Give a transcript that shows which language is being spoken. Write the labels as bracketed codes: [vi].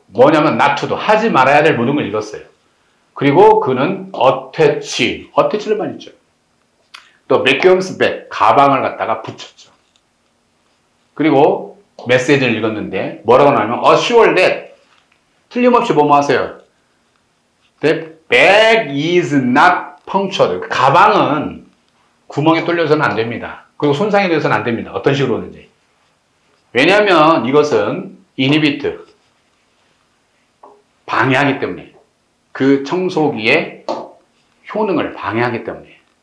[ko] 뭐냐면 not to do, 하지 말아야 될 모든 걸 읽었어요. 그리고 그는 attach, attach를만 읽죠. 또 vacuum's bag, 가방을 갖다가 붙였죠. 그리고 메시지를 읽었는데 뭐라고 나오냐면 assure that 틀림없이 뭐뭐하세요? [en] That bag is not punctured. [ko] 가방은 구멍에 뚫려서는 안 됩니다. 그리고 손상이 되어서는 안 됩니다. 어떤 식으로 오는지. 왜냐하면 이것은 inhibit, 방해하기 때문에 그 청소기의 효능을 방해하기 때문에.